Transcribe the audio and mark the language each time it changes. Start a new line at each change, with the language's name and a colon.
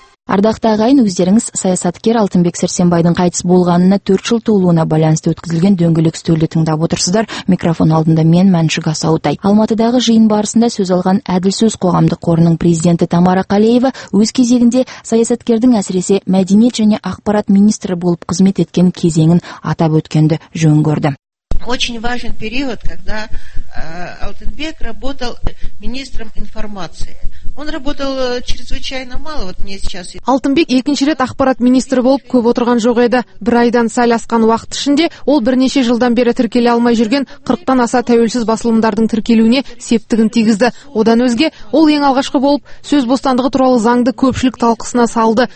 Kazakh: Ардақты ағайын, өздеріңіз саясаткер Алтынбек Сәрсенбайдың қайтыс болғанына 4 жыл толуына байланысты өткізілген дөңгелек үстелді тыңдап отырсыздар. Микрофон алдында мен Мәншүк Асаутай. Алматыдағы жиын барысында сөз алған әділ сөз қоғамдық қорының президенті Тамара Қалеева өз кезегінде саясаткердің әсіресе мәдениет және ақпарат министрі болып қызмет еткен кезеңін атап өткенді жөн көрді.
Russian: Очень важен период, когда Алтынбек работал министром информации. Он работал чрезвычайно мало, вот мне сейчас.
Kazakh: Алтынбек екінші рет ақпарат министрі болып көп отырған жоқ еді. Бір айдан сәл асқан уақыт ішінде ол бірнеше жылдан бері тіркеле алмай жүрген 40-тан аса тәуелсіз басылымдардың тіркелуіне септігін тигізді. Одан өзге, ол ең алғашқы болып сөз бостандығы туралы заңды көпшілік талқысына салды.